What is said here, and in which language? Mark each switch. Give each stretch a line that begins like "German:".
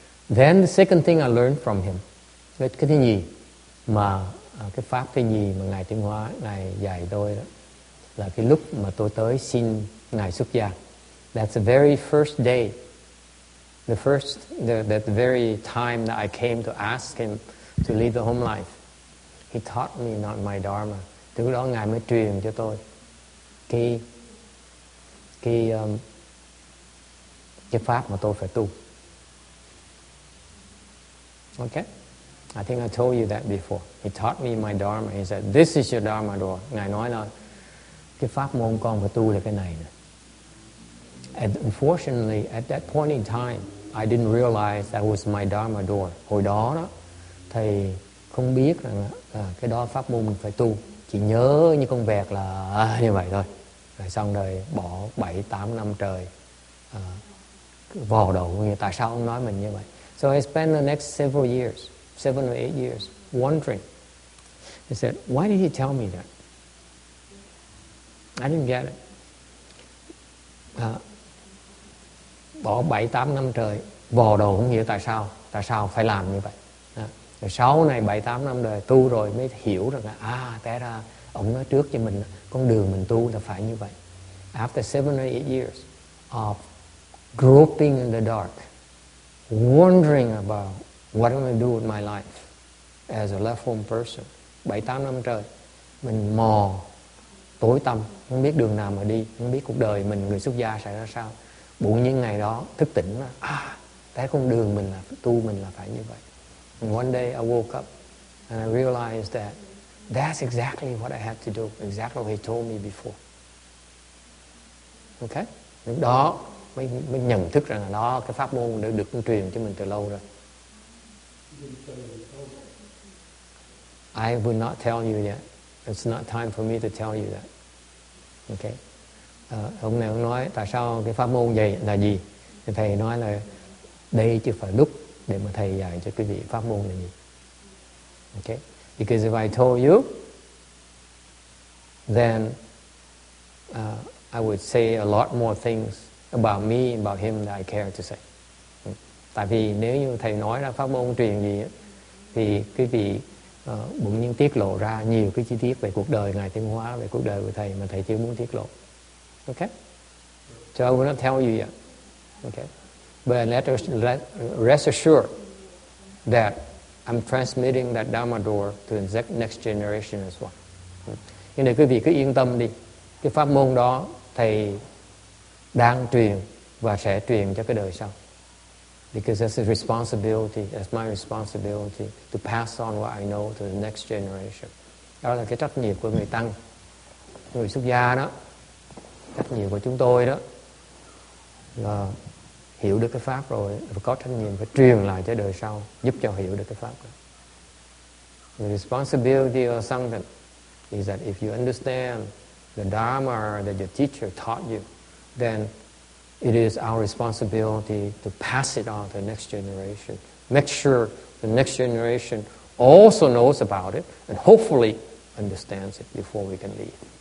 English: Then the second thing I learned from him.
Vietnamese: Cái thứ nhì mà cái pháp cái nhì mà ngài Tiên Hóa ngài dạy tôi đó là cái lúc mà tôi tới xin ngài xuất gia.
English: That's the very first day, the very time that I came to ask him to leave the home life. He taught me not my dharma.
Vietnamese: Từ đó ngài mới truyền cho tôi cái pháp mà tôi phải tu.
English: Okay, I think I told you that before. He taught me my dharma. He said, "This is your dharma, Dua."
Vietnamese: Ngài nói là cái pháp môn con phải tu là cái này.
English: And unfortunately, at that point in time, I didn't realize that was my dharma, Dua.
Vietnamese: Hồi đó đó, thầy không biết rằng là cái đó pháp môn mình phải tu. Chỉ nhớ như con vẹt là như vậy thôi. Rồi xong rồi bỏ 7-8 năm trời vò đầu. Tại sao ông nói mình như vậy?
English: So I spent the next several years, 7 or 8 years, wondering. He said, why did he tell me that? I didn't get it.
Vietnamese: Bỏ 7-8 năm trời, vò đầu không hiểu tại sao phải làm như vậy. Rồi sau này 7-8 năm đời tu rồi mới hiểu rằng là, té ra, ông nói trước cho mình, con đường mình tu là phải như vậy.
English: After 7 or 8 years of groping in the dark, wondering about what I'm going to do with my life as a left home person.
Vietnamese: 7-8 năm trời, mình mò tối tăm, không biết đường nào mà đi, không biết cuộc đời mình, người xuất gia sẽ ra sao. Bỗng nhiên ngày đó, thức tỉnh, thấy con đường mình là tu mình là phải như vậy.
English: And one day I woke up and I realized that that's exactly what I had to do, exactly what he told me before. Okay?
Vietnamese: Lúc đó, mới nhận thức rằng là đó cái pháp môn đã được truyền cho mình từ lâu rồi.
English: I will not tell you yet. It's not time for me to tell you that. Okay.
Vietnamese: Ông này ông nói tại sao cái pháp môn vậy là gì? Thì thầy nói là đây chưa phải lúc để mà thầy dạy cho quý vị pháp môn là gì.
English: Okay. Because if I told you, then I would say a lot more things about me and about him that I care to say.
Vietnamese: Tại vì nếu như thầy nói ra pháp môn truyền gì thì quý vị bỗng nhiên tiết lộ ra nhiều cái chi tiết về cuộc đời ngài Tiên Hóa, về cuộc đời của thầy mà thầy chưa muốn tiết lộ.
English: Okay? So I will not tell you yet. Okay? But let us rest assured that I'm transmitting that Dharma door to the next generation as well.
Vietnamese: Nhưng để quý vị cứ yên tâm đi, cái pháp môn đó thầy đang truyền và sẽ truyền cho cái đời sau.
English: Because that's his responsibility, that's my responsibility to pass on what I know to the next generation.
Vietnamese: Đó là cái trách nhiệm của người tăng, người xuất gia đó, trách nhiệm của chúng tôi đó là hiểu được cái pháp rồi và có trách nhiệm phải truyền lại cho đời sau, giúp cho hiểu được cái pháp đó.
English: The responsibility of sanghana. is that if you understand the Dharma that your teacher taught you, then it is our responsibility to pass it on to the next generation. Make sure the next generation also knows about it and hopefully understands it before we can leave.